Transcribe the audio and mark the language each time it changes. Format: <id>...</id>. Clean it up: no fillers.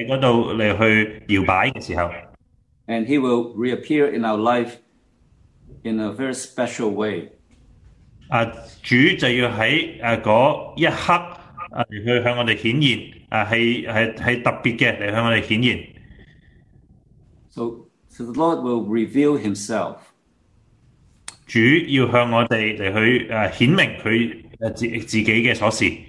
<zh>即使我們的心在那裡搖擺的時候,</zh> <en>and he will reappear in our life in a very special way.</en> <zh>主就要在那一刻向我們顯現，是特別的來向我們顯現。</zh> <en>So the Lord will reveal himself.</en> <zh>主要向我們來去顯明祂自己的所事。</zh>